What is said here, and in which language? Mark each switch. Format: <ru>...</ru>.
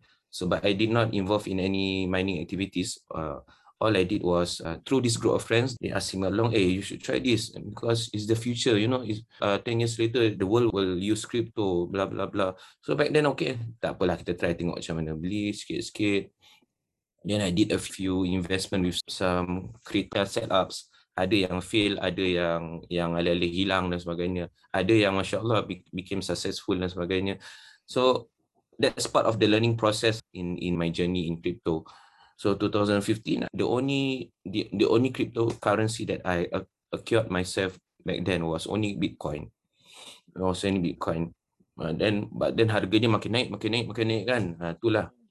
<en>So, but I did not involve in any mining activities. All I did was through this group of friends, they asked me along, hey, you should try this because it's the future, you know, it's, 10 years later, the world will use crypto, blah, blah, blah. So back then, okay,</en> <ms>tak apalah, kita try tengok macam mana beli, sikit-sikit.</ms> <en>Then I did a few investment with some crypto setups.</en> <ms>Ada yang fail, ada yang yang alih-alih hilang dan sebagainya. Ada yang Masya Allah</ms> <en>became successful</en> <ms>dan sebagainya.</ms> <en>So that's part of the learning process in my journey in crypto. So 2015, the only cryptocurrency that I acquired myself back then was only Bitcoin. I was only Bitcoin. But then</en> <ms>harganya makin naik kan. Itulah.</ms>